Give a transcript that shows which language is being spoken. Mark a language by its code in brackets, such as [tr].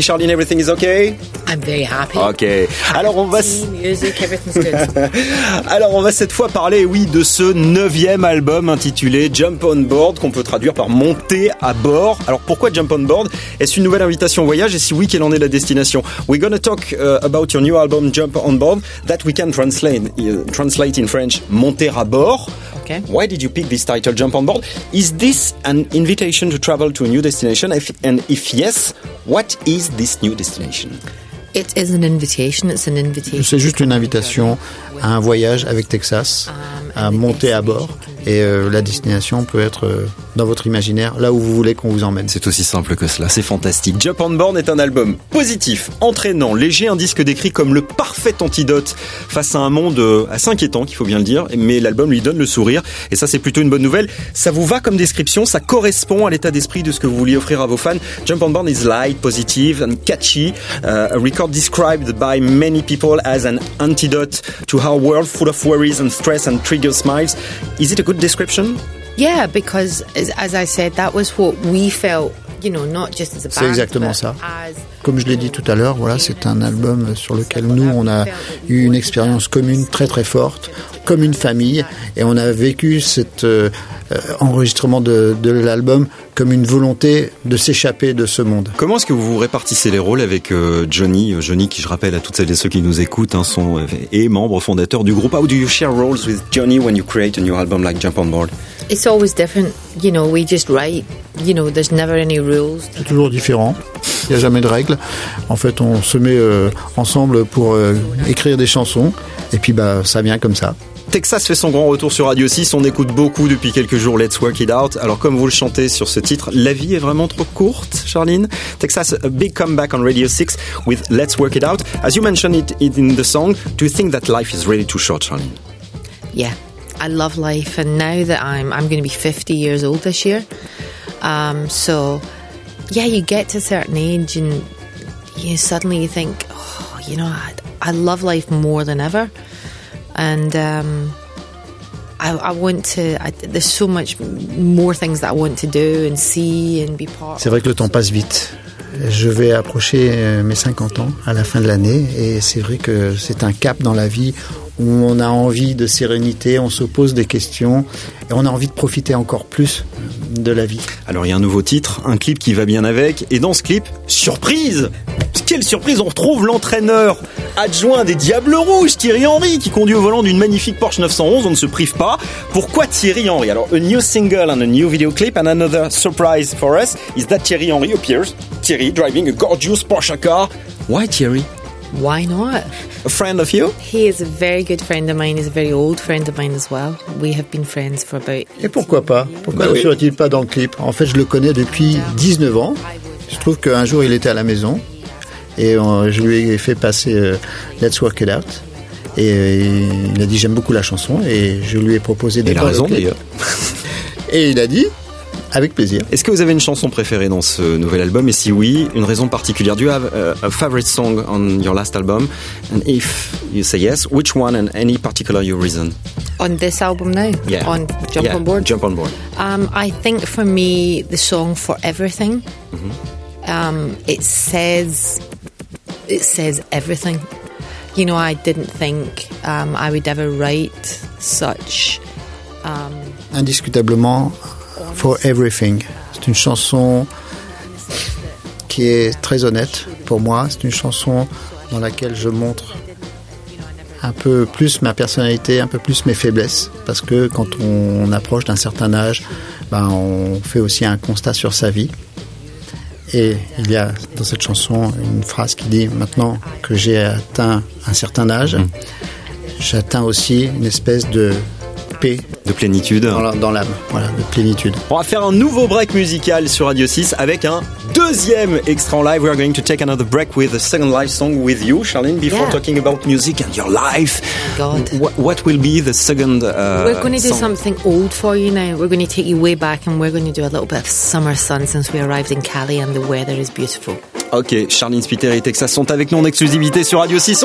[en] Charline, everything is okay? I'm very happy. [fr] Okay. Alors on va... [en] music, everything's good. [fr] Alors on va cette fois parler, oui, de ce 9e album intitulé Jump on Board, qu'on peut traduire par monter à bord. Alors pourquoi Jump on Board? Est-ce une nouvelle invitation au voyage? Et si oui, quelle en est la destination? [en] We're gonna talk about your new album Jump on Board that we can translate in French, [fr] monter à bord. [en] Okay. Why did you pick this title, Jump on Board? Is this an invitation to travel to a new destination? And if yes, what is this new destination? It is an invitation. It's an invitation. [fr] C'est juste une invitation à un voyage avec Texas, à monter à bord. Et la destination peut être dans votre imaginaire, là où vous voulez qu'on vous emmène. C'est aussi simple que cela, c'est fantastique. Jump on Board est un album positif, entraînant, léger, un disque décrit comme le parfait antidote face à un monde assez inquiétant, qu'il faut bien le dire, mais l'album lui donne le sourire, et ça c'est plutôt une bonne nouvelle. Ça vous va comme description, ça correspond à l'état d'esprit de ce que vous vouliez offrir à vos fans. [en] Jump on Board is light, positive and catchy, a record described by many people as an antidote to our world full of worries and stress and trigger smiles. Is it a good description? Yeah, because as I said, that was what we felt, you know, not just as a band. [fr] C'est exactement ça. Comme je l'ai dit tout à l'heure, voilà, c'est un album sur lequel nous, on a eu une expérience commune très très forte, comme une famille, et on a vécu cet enregistrement de l'album comme une volonté de s'échapper de ce monde. Comment est-ce que vous répartissez les rôles avec Johnny, qui, je rappelle à toutes celles et ceux qui nous écoutent, est membre fondateur du groupe. [en] How do you share roles with Johnny when you create a new album like Jump on Board? It's always different, you know, we just write, you know, there's never any rules. [fr] C'est toujours différent. Il n'y a jamais de règles. En fait, on se met ensemble pour écrire des chansons. Et puis, bah, ça vient comme ça. Texas fait son grand retour sur Radio 6. On écoute beaucoup depuis quelques jours Let's Work It Out. Alors, comme vous le chantez sur ce titre, la vie est vraiment trop courte, Charline. [en] Texas, a big comeback on Radio 6 with Let's Work It Out. As you mentioned it in the song, do you think that life is really too short, Charline? Yeah, I love life. And now that I'm going to be 50 years old this year. So... yeah, you get to a certain age and you suddenly you think, oh, you know, I love life more than ever. And there's so much more things that I want to do and see and be part of. [fr] C'est vrai que le temps passe vite. Je vais approcher mes 50 ans à la fin de l'année et c'est vrai que c'est un cap dans la vie où on a envie de sérénité, on se pose des questions et on a envie de profiter encore plus de la vie. Alors il y a un nouveau titre, un clip qui va bien avec, et dans ce clip, surprise ! Quelle surprise ! On retrouve l'entraîneur adjoint des Diables Rouges, Thierry Henry, qui conduit au volant d'une magnifique Porsche 911, on ne se prive pas. Pourquoi Thierry Henry ? [en] Alors, a new single and a new video clip and another surprise for us is that Thierry Henry appears. Thierry driving a gorgeous Porsche car. Why Thierry? Why not? A friend of you? He is a very good friend of mine. He's a very old friend of mine as well. We have been friends for about... [fr] Et pourquoi pas? Pourquoi ne serait-il pas dans le clip? En fait, je le connais depuis 19 ans. Je trouve qu'un jour, il était à la maison. Et je lui ai fait passer Let's Work It Out. Et il a dit, j'aime beaucoup la chanson. Et je lui ai proposé... Il a raison, d'ailleurs. Et il a dit... Avec plaisir. Est-ce que vous avez une chanson préférée dans ce nouvel album? Et si oui, une raison particulière? [en] Do you have a favorite song on your last album? And if you say yes, which one and any particular your reason? On this album now? Yeah. On Jump yeah. on Board? Jump on Board. I think for me, the song For Everything, it says everything. You know, I didn't think I would ever write such... [fr] Indiscutablement... For Everything, c'est une chanson qui est très honnête pour moi. C'est une chanson dans laquelle je montre un peu plus ma personnalité, un peu plus mes faiblesses. Parce que quand on approche d'un certain âge, ben on fait aussi un constat sur sa vie. Et il y a dans cette chanson une phrase qui dit « Maintenant que j'ai atteint un certain âge, j'atteins aussi une espèce de paix ». De plénitude. Dans l'âme, voilà, de plénitude. On va faire un nouveau break musical sur Radio 6 avec un deuxième extra en live. [en] We are going to take another break with a second live song with you, Charline, before talking about music and your life. God. What will be the second song? We're going to do something old for you now. We're going to take you way back and we're going to do a little bit of summer sun since we arrived in Cali and the weather is beautiful. [fr] Ok, Charline Spiteri et Texas sont avec nous en exclusivité sur Radio 6.